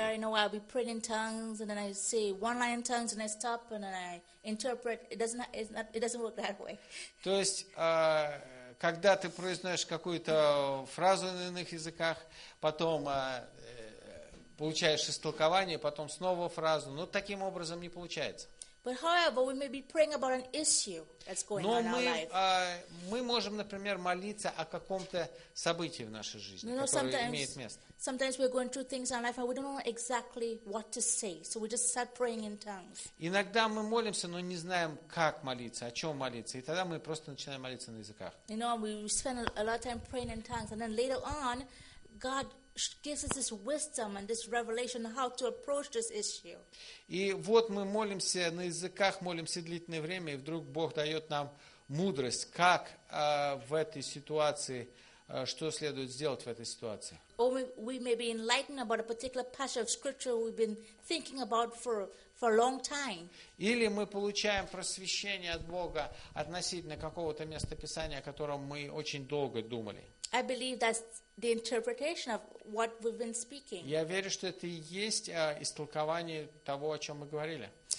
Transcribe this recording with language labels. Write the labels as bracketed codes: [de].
[en] Where you know I'll be praying in tongues and then I say one line in tongues and I stop and then I interpret. It doesn't work that way. [ru] То есть, когда ты произносишь какую-то фразу на иных языках, потом получаешь истолкование, потом снова фразу, но таким образом не получается. [en] But however, we may be praying about an issue that's going [ru] Но [en] on in [ru] мы, [en] our life. [ru] Мы можем, например, молиться о каком-то событии в нашей жизни, [en] you know, [ru] которое имеет место. [en] Sometimes we're going through things in life and we don't know exactly what to say, so we just start praying in tongues. [ru] Иногда мы молимся, но не знаем, как молиться, о чем молиться, и тогда мы просто начинаем молиться на языках. [en] You know, we spend a lot of time praying in tongues, and then later on, God gives us this wisdom and this revelation how to approach this issue. [ru] И вот мы молимся на языках, молимся длительное время, и вдруг Бог дает нам мудрость, как в этой ситуации, что следует сделать в этой ситуации. [en] Or we may be enlightened about a particular passage of scripture we've been thinking about for a long time. [ru] Или мы получаем просвещение от Бога относительно какого-то места Писания, о котором мы очень долго думали. [en] I believe that's the interpretation of what we've been speaking. [ru] Я верю, что это и есть истолкование того, о чем мы говорили.